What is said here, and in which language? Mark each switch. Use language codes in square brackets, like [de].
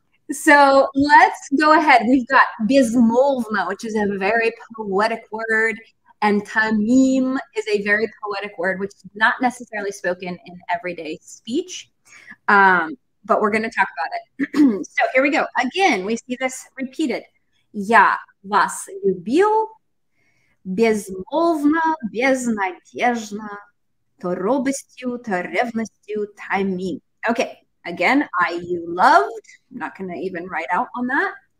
[en] So let's go ahead. We've got безмолвно, which is a very poetic word, and тамим is a very poetic word, which is not necessarily spoken in everyday speech, but we're going to talk about it. So here we go. Again, we see this repeated. [ru] Я вас любил безмолвно, безнадежно, то робостью, то ревностью, тамим. [en] Okay. Again, I you loved. I'm not going to even write out on that.